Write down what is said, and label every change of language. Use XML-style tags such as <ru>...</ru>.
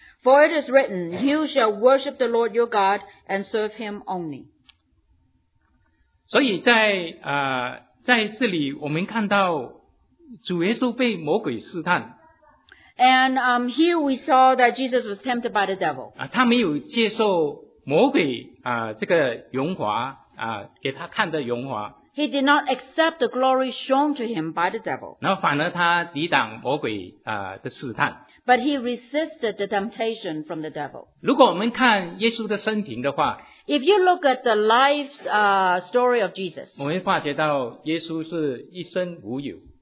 <en>For it is written, you shall worship the Lord your God and serve him only.</en> <zh>所以在这里我们看到主耶稣被魔鬼试探。</zh> <en>And here we saw that Jesus was tempted by the devil.</en> <zh>他没有接受魔鬼这个荣华给他看的荣华。</zh> <en>He did not accept the glory shown to him by the devil.</en> <zh>然后反而他抵挡魔鬼的试探。</zh> <en>But he resisted the temptation from the devil.</en> <zh>如果我们看耶稣的生平的话，</zh> <en>If you look at the life story of Jesus,</en> <zh>我们发觉到耶稣是一生无忧。</zh>